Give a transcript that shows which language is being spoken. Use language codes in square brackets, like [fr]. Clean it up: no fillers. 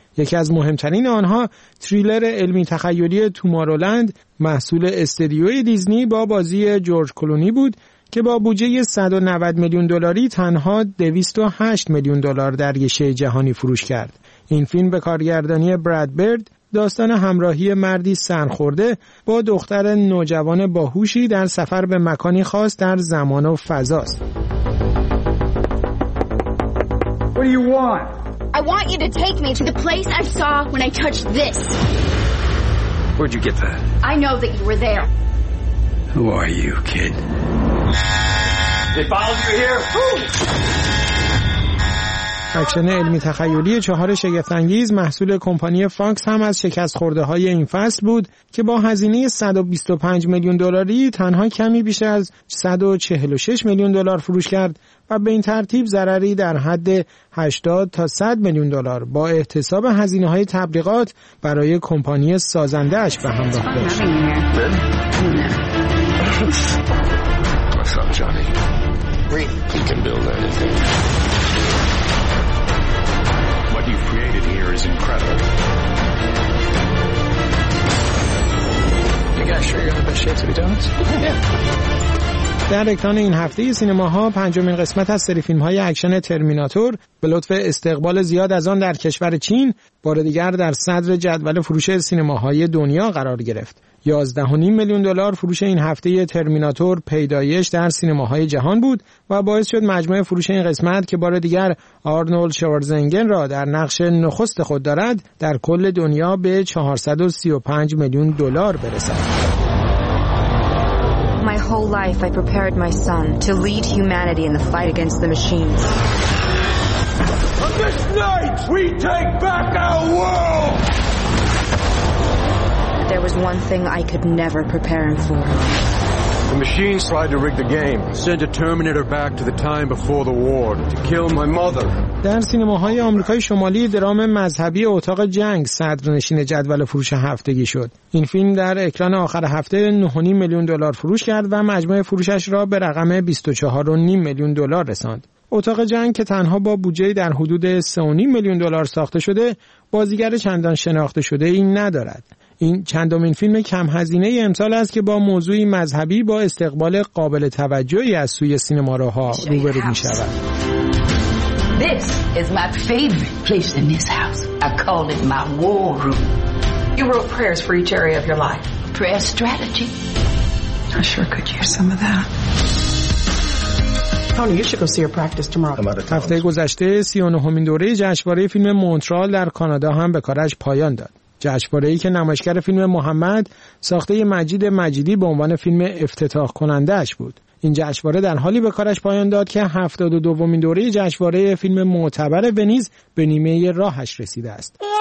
[fa] یکی از مهمترین آنها تریلر علمی تخیلی تومارولند محصول استدیوی دیزنی با بازی جورج کلونی بود که با بودجه 190 میلیون دلاری تنها 208 میلیون دلار در گشه جهانی فروش کرد. این فیلم به کارگردانی براد برد داستان همراهی مردی سرخورده با دختر نوجوان باهوشی در سفر به مکانی خاص در زمان و فضاست. [en] What do you want? I want you to take me to the place I saw when I touched this. Where'd you get that? I know that you were there. Who are you, kid? They followed you here. [fa] اکشن علمی تخیلی چهار شگفت‌انگیز محصول کمپانی فاکس هم از شکست خورده های این فصل بود که با هزینه 125 میلیون دلاری تنها کمی بیش از 146 میلیون دلار فروش کرد و به این ترتیب ضرری در حد 80 تا 100 میلیون دلار با احتساب هزینه های تبلیغات برای کمپانی سازنده اش به همراه داشت. [en] Incredible. You guys sure you have the best shapes of your donuts? Yeah. [fa] در اکران این هفته سینماها پنجمین قسمت از سری فیلم‌های اکشن ترمیناتور به لطف استقبال زیاد از آن در کشور چین بار دیگر در صدر جدول فروش سینماهای دنیا قرار گرفت. 11.5 میلیون دلار فروش این هفته ترمیناتور پیدایش در سینماهای جهان بود و باعث شد مجموع فروش این قسمت که بار دیگر آرنولد شوارزنگر را در نقش نخست خود دارد در کل دنیا به 435 میلیون دلار برسد. [en] My whole life I prepared my son to lead humanity in the fight against the machines. On this night we take back our world. There was one thing I could never prepare him for. The machines tried to rig the game, sent a Terminator back to the time before the war to kill my mother. [fa] در سینماهای آمریکای شمالی درام مذهبی اتاق جنگ صدرنشین جدول فروش هفتگی شد. این فیلم در اکران آخر هفته 9.5 میلیون دلار فروش کرد و مجموع فروشش را به رقم 24.5 میلیون دلار رساند. اتاق جنگ که تنها با بودجه در حدود 3.5 میلیون دلار ساخته شده، بازیگر چندان شناخته شده ای ندارد. این چندمین فیلم کم هزینه امسال است که با موضوعی مذهبی با استقبال قابل توجهی از سوی سینماروها روبرو می شود. [en] This is my favorite place in this house. I call it my war room. You wrote prayers for each area of your life. Prayer strategy. I sure could use some of that. [fa] هفته گذشته 39مین دوره جشنواره فیلم مونترال در کانادا هم به کارش پایان داد. جشنواره‌ای که نمایشگر فیلم محمد ساخته مجید مجیدی به عنوان فیلم افتتاح کنندهش بود. این جشنواره در حالی به کارش پایان داد که 72مین دوره جشنواره فیلم معتبر ونیز به نیمه راهش رسیده است.